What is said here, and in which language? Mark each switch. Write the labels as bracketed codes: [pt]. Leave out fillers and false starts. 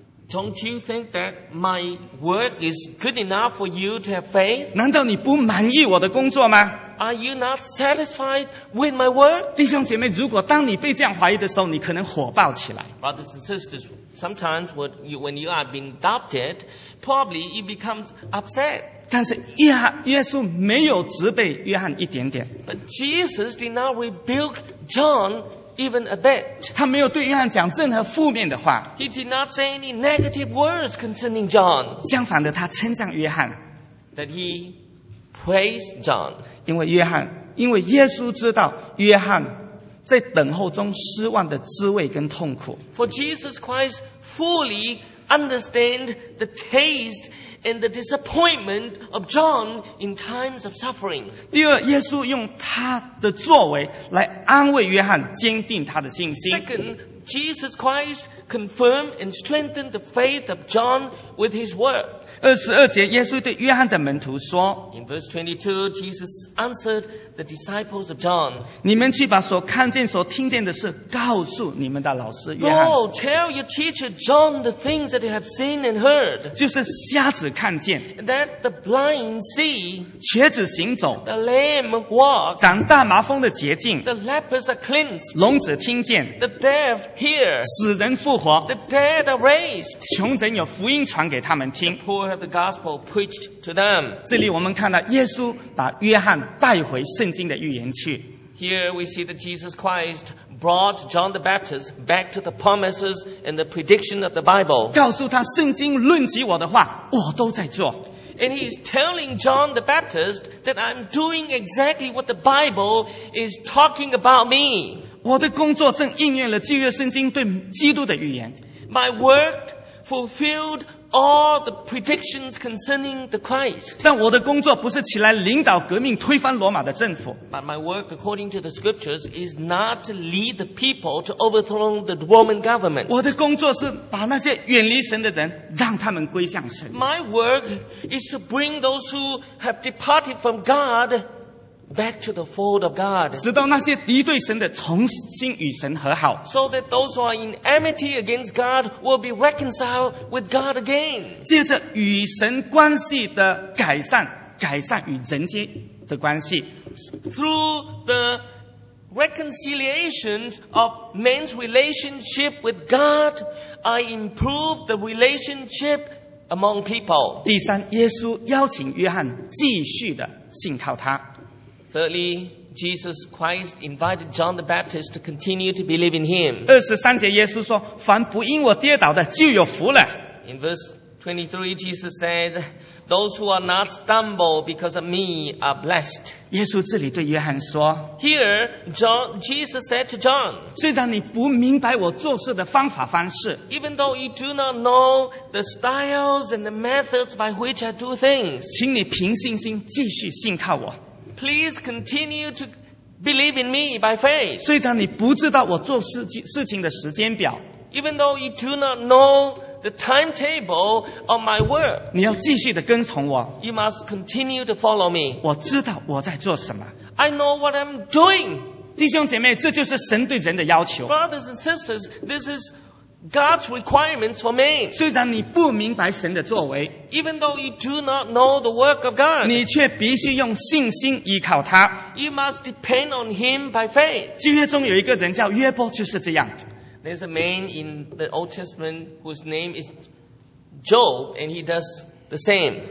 [en] Don't you think that my work is good enough for you to have faith? [zh] 难道你不满意我的工作吗？ [en] Are you not satisfied with my work? [zh] 弟兄姐妹，如果当你被这样怀疑的时候，你可能火爆起来。 [en] Brothers and sisters, sometimes when you are being doubted, probably you become upset. [zh] 但是耶稣没有责备约翰一点点。 [en] But Jesus did not rebuke John even a bit. [zh] 他没有对约翰讲任何负面的话。 [en] He did not say any negative words concerning John. [zh] 相反的，他称赞约翰。 [en] That he praised John. [zh] 因为耶稣知道约翰在等候中失望的滋味跟痛苦。 [en] For Jesus Christ fully understand the taste and the disappointment of John in times of suffering. [zh] 第二，耶稣用他的作为来安慰约翰，坚定他的信心。 [en] Second, Jesus Christ confirmed and strengthened the faith of John with his word. [zh] 22节耶稣对约翰的门徒说 [en] In verse 22, Jesus answered the disciples of John, [zh] 你们去把所看见所听见的事告诉你们的老师约翰。 [en] Go, tell your teacher John the things that you have seen and heard. [zh] 就是瞎子看见。 [en] That the blind see. [zh] 瘸子行走。 [en] The lame walk. [zh] 长大麻风的洁净。 [en] The lepers are cleansed. [zh] 聋子听见。 [en] The deaf hear. [zh] 死人复活。 [en] The dead are raised. [zh] 穷人有福音传给他们听。 [en] Poor have the gospel preached to them. [zh] 这里我们看到耶稣把约翰带回圣经的预言去。 [en] Here we see that Jesus Christ brought John the Baptist back to the promises and the prediction of the Bible. [zh] 告诉他圣经论及我的话，我都在做。 [en] And he is telling John the Baptist that I'm doing exactly what the Bible is talking about me. [zh] 我的工作正应验了旧约圣经对基督的预言。 [en] My work fulfilled. All the predictions concerning the Christ. [zh] 但我的工作不是起来领导革命推翻罗马的政府。 [en] But my work according to the scriptures is not to lead the people to overthrow the Roman government. [zh] 我的工作是把那些远离神的人让他们归向神。 [en] My work is to bring those who have departed from God back to the fold of God. [zh] 直到那些敌对神的重新与神和好。 [en] So that those who are in enmity against God will be reconciled with God again. [zh] 借着与神关系的改善，改善与人间的关系。 [en] Through the reconciliation of man's relationship with God, I improve the relationship among people. [zh] 第三，耶稣邀请约翰继续的信靠他。 [en] Thirdly, Jesus Christ invited John the Baptist to continue to believe in him. [zh] 23节耶稣说，凡不因我跌倒的就有福了。 [en] In verse 23, Jesus said, those who are not stumbled because of me are blessed. [zh] 耶稣这里对约翰说， [en] Here, John, Jesus said to John, [zh] 虽然你不明白我做事的方法方式， [en] even though you do not know the styles and the methods by which I do things, [zh] 请你凭信心继续信靠我。 [en] Please continue to believe in me by faith. [zh] 虽然你不知道我做事情的时间表， [en] even though you do not know the timetable of my work, [zh] 你要继续的跟从我。 [en] You must continue to follow me. [zh] 我知道我在做什么。 [en] I know what I'm doing. [zh] 弟兄姐妹，这就是神对人的要求。 [en] Brothers and sisters, this is God's requirements for man. [zh] 虽然你不明白神的作为， [en] even though you do not know the work of God, [zh] 你却必须用信心依靠他。 [en] You must depend on him by faith. [zh] 旧约中有一个人叫约伯，就是这样。 [en] There's a man in the Old Testament whose name is Job, and he does the same.